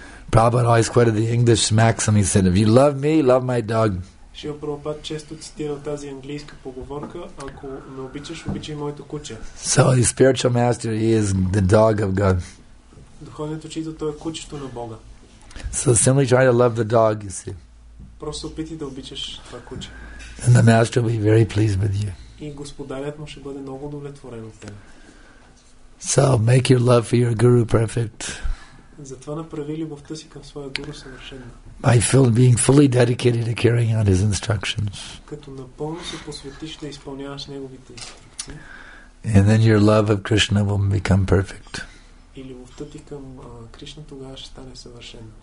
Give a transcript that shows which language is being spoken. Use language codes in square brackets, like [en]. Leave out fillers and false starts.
[en] Prabhupada always quoted the English maxim, he said, if you love me, love my dog. [bg] Шрила Прабхупад често цитира тази английска поговорка: ако ме обичаш, обичай моето куче. [en] So the spiritual master, he is the dog of God. [bg] Духовният учител, той е кучето на Бога. [en] So simply try to love the dog, you see. [bg] Просто опитай да обичаш това куче. [en] And the master will be very pleased with you. [bg] И господарят му ще бъде много удовлетворен от теб. [en] So make your love for your guru perfect. [bg] Затова направи любовта си към своя гуру съвършена. [en] By being fully dedicated to carrying out his instructions. [bg] Като напълно се посветиш да изпълняваш неговите инструкции. [en] And then your love of Krishna will become perfect. [bg] И любовта ти към Кришна тогава ще стане съвършена.